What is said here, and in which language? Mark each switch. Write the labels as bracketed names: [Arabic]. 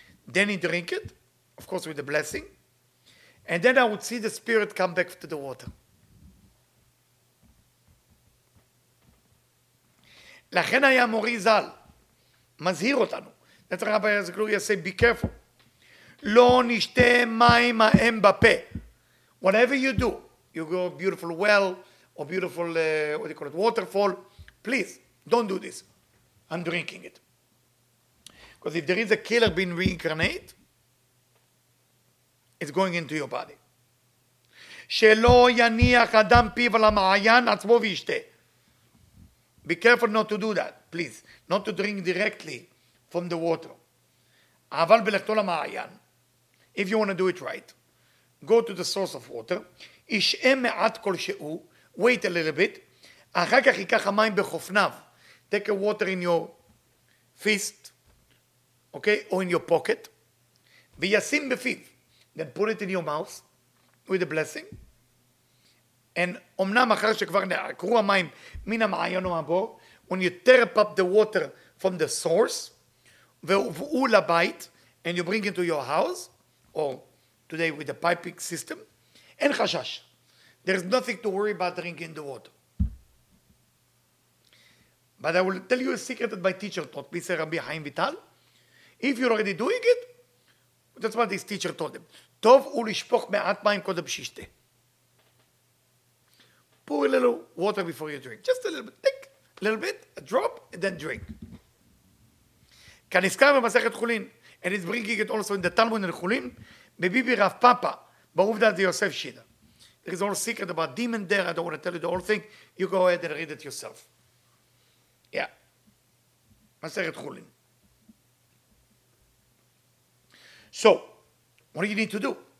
[English] Then he drink it, of course with a blessing, and then I would see the spirit come back to the water. [Hebrew] לכן היה מורי זל, מזהיר אותנו. [English] That's what Rabbi Zakaria said, be careful. [Hebrew] לא נשתה מים האם בפה. [English] Whatever you do, you go to a beautiful well, or beautiful, what do you call it, waterfall, please, don't do this. I'm drinking it. Because if there is a killer being reincarnate, it's going into your body. [Hebrew] שלא יניח אדם פיו על המעיין עצמו וישתה. [English] Be careful not to do that, please. Not to drink directly from the water. [Hebrew] אבל בלכתו למעיין, [English] if you want to do it right, go to the source of water, [Hebrew] ישעה מעט כלשהו, [English] wait a little bit, [Hebrew] אחר כך ייקח המים בחופניו, [English] take a water in your fist, okay, or in your pocket, [Hebrew] וישים בפיו, [English] then put it in your mouth, with a blessing, and [Hebrew] אמנם אחר שכבר נעקרו המים מן המעיין או מהבור, [English] when you tear up the water from the source, [Hebrew] והובאו לבית, [English] and you bring it to your house, or today with the piping system, [Hebrew] אין חשש. [English] There is nothing to worry about drinking the water. But I will tell you a secret that my teacher taught me, said Rabbi Chaim Vital. If you're already doing it, that's what his teacher told him. [Hebrew] טוב הוא לשפוך מעט מים קודם שישתה. [English] Pour a little water before you drink. Just a little bit, take a little bit, a drop, and then drink. [Hebrew] כנזכר במסכת חולין, [English] and it's bringing it also in the Talmud and [Hebrew] חולין, בביבי רב פאפה, בעובדה זה יוסף שידה. [English] There is all secret about demon there, I don't want to tell you the whole thing, you go ahead and read it yourself. [Hebrew] Yeah. מסכת חולין. [English] So, what do you need to do?